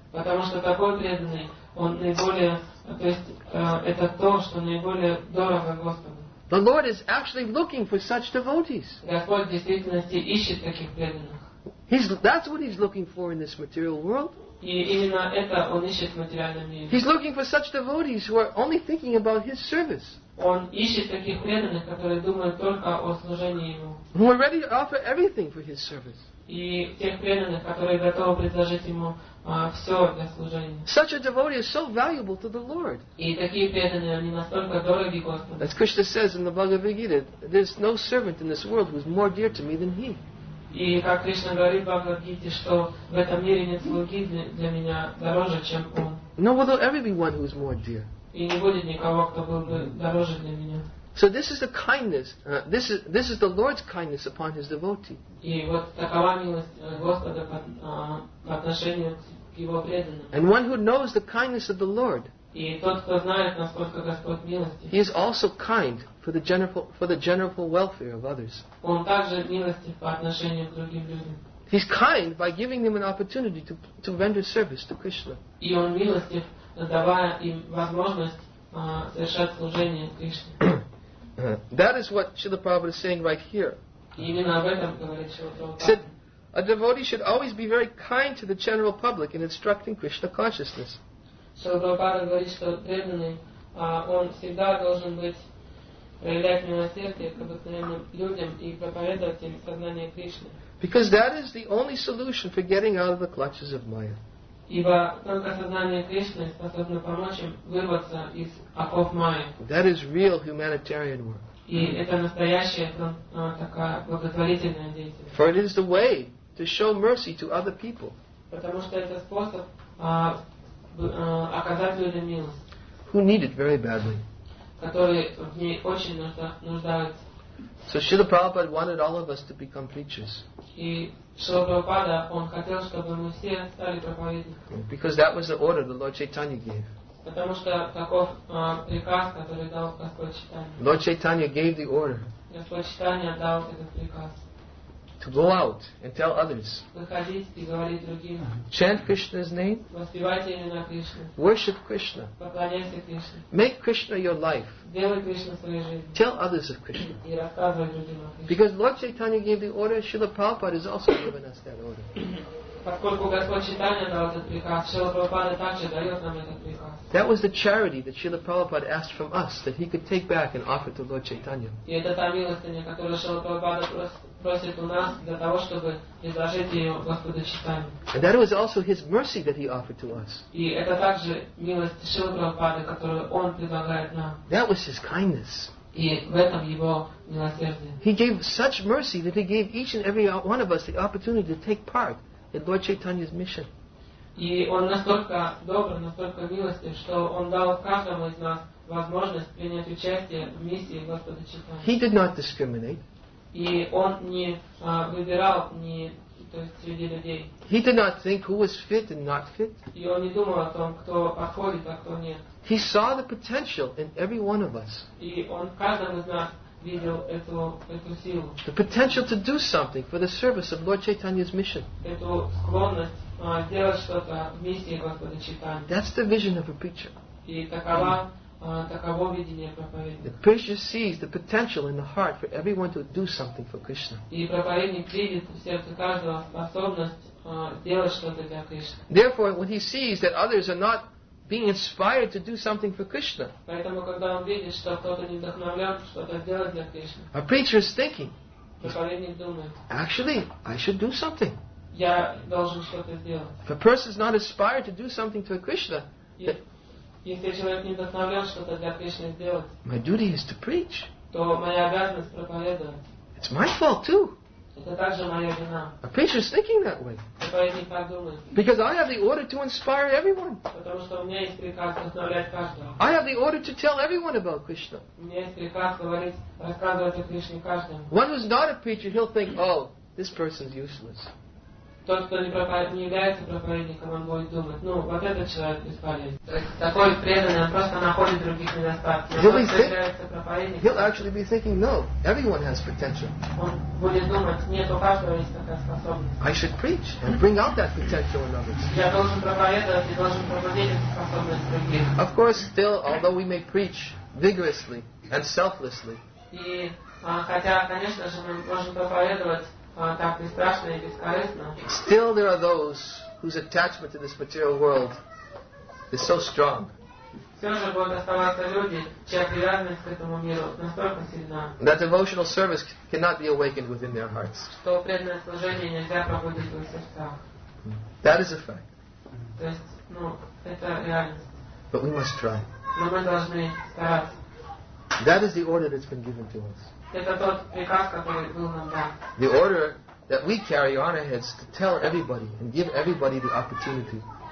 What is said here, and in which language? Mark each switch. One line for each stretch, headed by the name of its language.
English: The Lord is actually looking for such devotees. That's what he's looking for in this material world. He's looking for such devotees who are only thinking about his service.
Russian: Он ищет таких преданных, которые думают только о служении ему.
English: Who are ready to offer everything for his service.
Russian: И тех преданных, которые готовы предложить ему все для служения.
English: Such a devotee is so valuable to the Lord.
Russian: И такие преданные, они настолько дороги Господу.
English: As Krishna says in the Bhagavad Gita, there's no servant in this world who's more dear to me than he.
Russian: И как Кришна говорит в Бхагавад Гите, что в этом мире нет слуги для меня дороже, чем он.
English: No, will there ever be one who is more dear.
Russian: И не будет никого, кто был бы дороже для меня.
English: So this is the kindness. This is the Lord's kindness upon his devotee.
Russian: И вот такова милость Господа по отношению к его преданным.
English: And one who knows the kindness of the Lord.
Russian: И тот, кто знает, насколько Господь милостив.
English: He is also kind for the general welfare of others.
Russian: Он также милостив по отношению к другим людям.
English: He's kind by giving them an opportunity to render service to Krishna.
Russian: И он милостив, давая им возможность совершать служение Кришне.
English: That is what Śrīla Prabhupāda is saying right here.
Russian: Именно об этом говорит Śrīla Prabhupāda.
English: He said, a devotee should always be very kind to the general public in instructing Krishna consciousness.
Russian: Śrīla Prabhupāda говорит, что преданный, он всегда должен быть проявлять милосердие к обыкновенным людям и проповедовать им сознание Кришны.
English: Because that is the only solution for getting out of the clutches of Maya.
Russian: Ибо только сознание Кришны способно помочь им вырваться из оков Майи.
English: That is real humanitarian work.
Russian: И это настоящая такая благотворительная деятельность.
English: For it is the way to show mercy to other people.
Russian: Потому что это способ оказать людям милость.
English: Who need it very badly.
Russian: Которые в ней очень нуждаются.
English: So Śrīla Prabhupāda wanted all of us to become preachers.
Russian: И Śrīla Prabhupāda, он хотел, чтобы мы все стали проповедниками.
English: Because that was the order the Lord Chaitanya gave.
Russian: Потому что таков приказ, который дал Господь Чайтанья.
English: Lord Chaitanya gave the order.
Russian: Господь Чайтанья дал этот приказ.
English: To go out and tell others.
Russian: Выходить и говорить другим.
English: Chant Krishna's name.
Russian: Воспевайте имена Кришны.
English: Worship Krishna.
Russian: Поклоняйся Кришне.
English: Make Krishna your life.
Russian: Делай Кришну своей жизнью.
English: Tell others of Krishna.
Russian: И рассказывай другим о Кришне.
English: Because Lord Chaitanya gave the order, Śrīla Prabhupāda has also given us that order.
Russian: Поскольку Господь Чайтанья дал этот приказ, Śrīla Prabhupāda также дает нам этот приказ.
English: That was the charity that Śrīla Prabhupāda asked from us that he could take back and offer to Lord Chaitanya.
Russian: И это та милостыня, которую Śrīla Prabhupāda просит у нас для того, чтобы предложить ее Господу Чайтанье.
English: And that was also his mercy that he offered to us.
Russian: И это также милость Śrīla Prabhupāda, которую он предлагает нам.
English: That was his kindness.
Russian: И в этом его милосердие.
English: He gave such mercy that he gave each and every one of us the opportunity to take part in Lord Chaitanya's mission.
Russian: И он настолько добр, настолько милостив, что он дал каждому из нас возможность принять участие в миссии Господа Чайтанья.
English: He did not discriminate.
Russian: И он не выбирал ни, то есть, среди людей.
English: He did not think who was fit and not fit.
Russian: И он не думал о том, кто подходит, а кто нет.
English: He saw the potential in every one of us.
Russian: И он в каждом из нас видел эту силу.
English: The potential to do something for the service of Lord Chaitanya's mission.
Russian: Эту склонность делать что-то в миссии Господа Чайтанья.
English: That's the vision of a preacher.
Russian: И такова, таково видение проповедника.
English: The preacher sees the potential in the heart for everyone to do something for Krishna.
Russian: И проповедник видит в сердце каждого способность делать что-то для Кришны.
English: Therefore, when he sees that others are not being inspired to do something for Krishna.
Russian: Поэтому когда он видит, что кто-то не вдохновлен что-то делать для Кришны.
English: A preacher is thinking.
Russian: Проповедник думает.
English: Actually, I should do something.
Russian: Я должен что-то сделать.
English: If a person is not inspired to do something to Krishna.
Russian: Если человек не вдохновлен что-то для Кришны сделать.
English: My duty is to preach.
Russian: То моя обязанность проповедовать.
English: It's my fault too.
Russian: Это также моя вина.
English: A preacher is thinking that way. Because I have the order to inspire everyone. I have the order to tell everyone about Krishna. One who's not a preacher, he'll think, oh, this person's useless.
Russian: тот, кто не является проповедником, он будет думать, ну, вот этот человек бесполезен. То есть такой преданный, он просто находит других недостатков. Он является проповедником.
English: He'll actually be thinking, no, everyone has potential.
Russian: Он будет думать, нет, у каждого есть такая способность.
English: I should preach and bring out that potential in others.
Russian: Я должен проповедовать и должен пробудить эту способность в других.
English: Of course, still, although we may preach vigorously and selflessly,
Russian: Хотя, конечно же, мы можем проповедовать так бесстрашно и бескорыстно.
English: Still there are those whose attachment to this material world is so strong.
Russian: Все же будут оставаться люди, чья привязанность к этому миру настолько сильна.
English: That devotional service cannot be awakened within their hearts.
Russian: Что преданное служение нельзя пробудить в их сердцах.
English: That is a fact.
Russian: То есть, ну, это реальность.
English: But we must try.
Russian: Но мы должны стараться.
English: That is the order that's been given to us. The order that we carry on our heads to tell everybody and give everybody the opportunity.